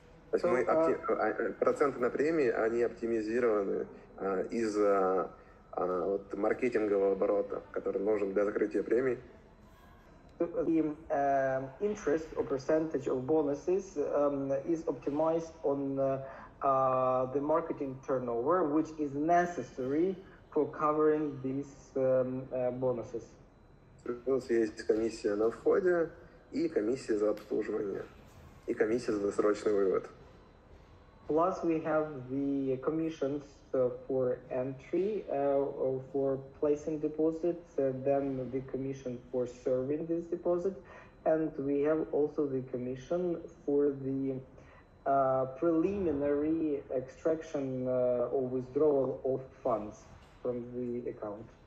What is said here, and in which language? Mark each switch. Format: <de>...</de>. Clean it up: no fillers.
<ru>То есть мы проценты на премии, они оптимизированы из-за вот маркетингового оборота, который нужен для закрытия премий.</ru> <en>The interest or percentage of bonuses is optimized on the marketing turnover, which is necessary for covering these bonuses.</en> <ru>Плюс есть комиссия на входе и комиссия за обслуживание и комиссия за досрочный вывод.</ru> <en>Plus we have the commissions for entry, for placing deposits, then the commission for serving this deposit, and we have also the commission for the preliminary extraction or withdrawal of funds from the account.</en>